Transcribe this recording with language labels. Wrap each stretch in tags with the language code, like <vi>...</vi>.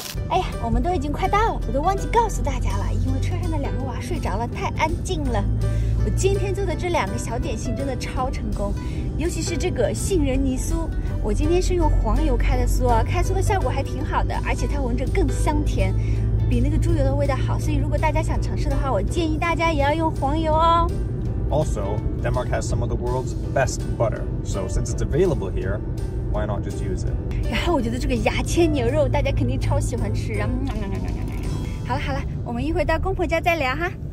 <zh>Hey, 我们都已经快到了，我都忘记告诉大家了，因为车上的两个娃睡着了，太安静了。我今天做的这两个小点心真的超成功。尤其是这个杏仁泥酥，我今天是用黄油开的酥啊，开酥的效果还挺好的，而且它闻着更香甜，比那个猪油的味道好。所以如果大家想尝试的话，我建议大家也要用黄油哦。</zh> <en>Also, Denmark has some of the world's best butter. So since it's available here, why not just use it?</en> <zh>然后我觉得这个牙签牛肉大家肯定超喜欢吃，然后好了好了，我们一会到公婆家再聊哈。</zh>